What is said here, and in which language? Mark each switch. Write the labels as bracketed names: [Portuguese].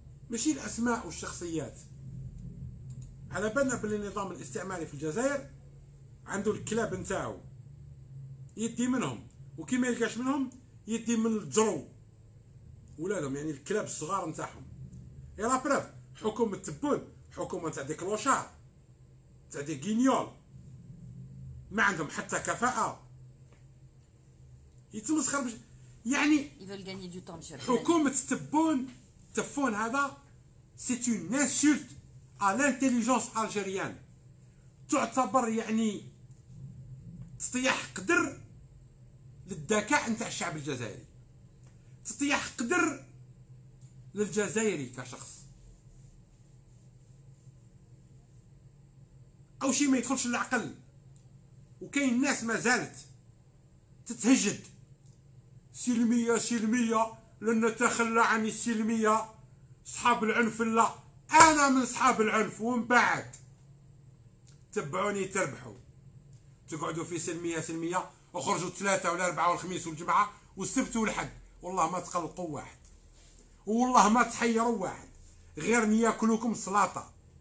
[Arabic] ماشي الاسماء والشخصيات. على بالنا باللي النظام الاستعماري في الجزائر عنده الكلاب نتاعو يدي منهم، وكي ما يلقاش منهم يدي من الجرو ولادهم، يعني الكلاب الصغار نتاعهم. يا لا بروف، حكومه تبون، حكومه تاع ديك لوشار تاع ديك غينيول، ما عندهم حتى كفاءه، يتمسخر بش... [French] يعني حكومه تبون تفون، هذا c'est une insulte à l'intelligence algérienne. [Arabic] تعتبر يعني تطيح قدر للذكاء نتاع الشعب الجزائري، تطيح قدر للجزائري كشخص. او شيء ما يدخلش للعقل. وكاين الناس ما زالت تتهجد سلمية سلمية، لن نتخلى عن السلمية، صحاب العنف لا، انا من صحاب العنف، ومن بعد تبعوني تربحوا، تقعدوا في سلمية سلمية، وخرجوا الثلاثة والاربعة والخميس والجمعة والسبت والحد، والله ما تقلقوا واحد، والله ما تحيروا واحد، غير نياكلوكم سلطة.